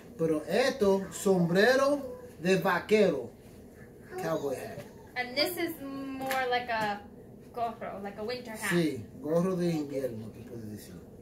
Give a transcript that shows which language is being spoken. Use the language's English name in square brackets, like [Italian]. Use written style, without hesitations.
[Spanish] Pero esto, sombrero de vaquero. [English] Cowboy hat. And this is more like a gorro, like a winter hat. [Spanish] Sí, gorro de invierno, que puedes decir.